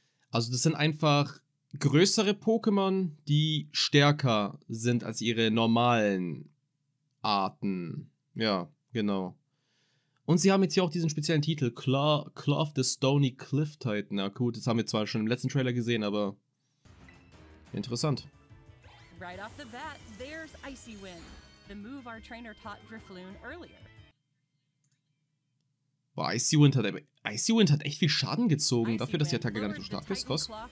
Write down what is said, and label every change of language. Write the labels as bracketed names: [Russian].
[German] Also das sind einfach größere Pokémon, die stärker sind als ihre normalen Arten. Ja, genau. Und sie haben jetzt hier auch diesen speziellen Titel, Claw of the Stony Cliff Titan. Na gut, das haben wir zwar schon im letzten Trailer gesehen, aber interessant. [English] Right off the bat, there's Icy Wind, the move our trainer taught Drifloon earlier. [German] Boah, Icy Wind hat echt viel Schaden gezogen, dafür, dass die Attacke gar nicht so stark ist, Koss.